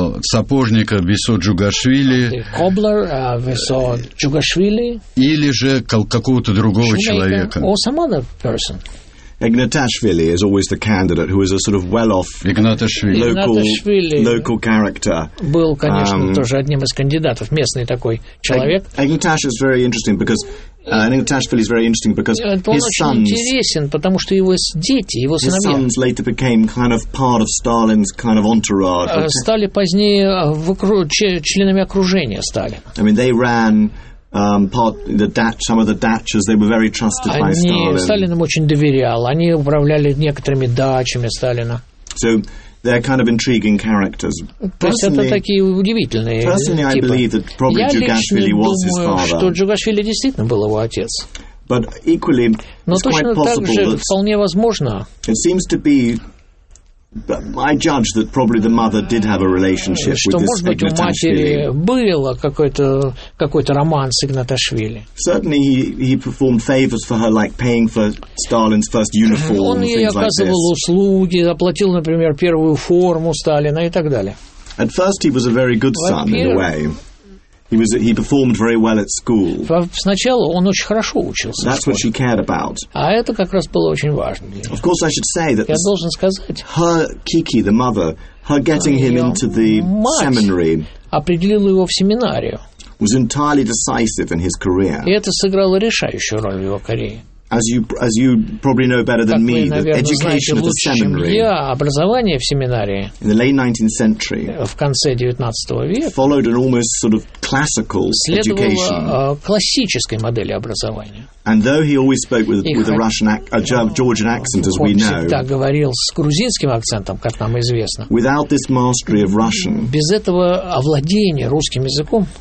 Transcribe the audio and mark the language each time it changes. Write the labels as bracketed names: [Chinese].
[Russian] Сапожника Бесо Джугашвили, [English] cobbler, Бесо Джугашвили [Russian] или же какого-то другого человека. [English] Or some other person. Игнаташвили is always the candidate who is a sort of well-off local character. [Russian] Был, конечно, тоже одним из кандидатов, местный такой человек. [English] Игнаташ is very interesting because Игнаташвили is very interesting because his sons. [Russian] Он интересен, потому что его дети, его сыновья. [English] His sons later became kind of part of Stalin's kind of entourage. [Russian] Стали позднее членами окружения Сталина. [English] I mean, they ran. Some of the dachas, they were very trusted by Stalin. [Russian] Сталин им очень доверял. Они управляли некоторыми дачами Сталина. [English] So they're kind of intriguing characters. [Russian] То есть это такие удивительные типы. [English] Personally, I believe that probably Джугашвили was his father. [Russian] Я лично думаю, что Джугашвили действительно был его отец. [English] But equally, it's quite possible that. [Russian] Но точно так же вполне возможно. [English] It seems to be. I judge that probably the mother did have a relationship with this Ignatashvili. [Russian] Что, может быть, у матери было какой-то роман с Игнаташвили. [English] Certainly he performed favors for her, like paying for Stalin's first uniform, things like this. [Russian] Он ей оказывал услуги, оплатил, например, первую форму Сталина и так далее. [English] At first he was a very good son, in a way. He performed very well at school. [Russian] Сначала он очень хорошо учился. [English] That's what she cared about. [Russian] А это как раз было очень важно. [English] Of course, I should say that. [Russian] Я должен сказать. [English] Her Kiki, the mother, her getting him into the seminary. [Russian] Определила его в семинарию. [English] Was entirely decisive in his career. [Russian] И это сыграло решающую роль в его карьере. [English] As you probably know better than me, the education of the seminary. [Russian] Я образование в семинарии. [English] In the late 19th century. [Russian] В конце 19 века. [English] Followed an almost sort of classical education. [Russian] Следовало классической модели образования. [English] And though he always spoke with a Russian, Georgian accent, as we know. [Russian] Всегда говорил с грузинским акцентом, как нам известно. [English] Without this mastery of Russian. [Russian] Без этого овладения русским языком.